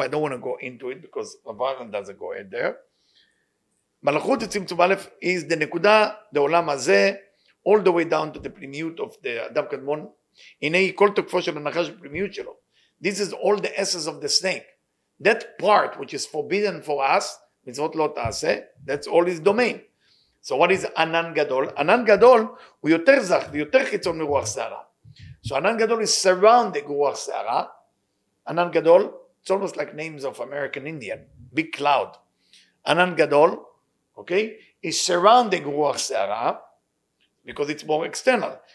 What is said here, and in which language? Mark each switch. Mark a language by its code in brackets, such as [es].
[en] I don't want to go into it because Ravaran doesn't go in there. מלכות הצמצום א' is the נקודה, the עולם הזה, all the way down to the פנימיות of the אדם קדמון. [he] הנה היא כל תוקפו של הנחש בפנימיות שלו. [en] This is all the essence of the snake. That part which is forbidden for us, מצוות לא תעשה, that's all his domain. So what is ענן גדול? [he] ענן גדול הוא יותר זך ויותר חיצון מרוח שערה. [en] So ענן גדול is surrounding רוח שערה. ענן גדול, it's almost like names of American Indian, big cloud. ענן גדול, okay, is surrounding רוח שערה, because it's more external.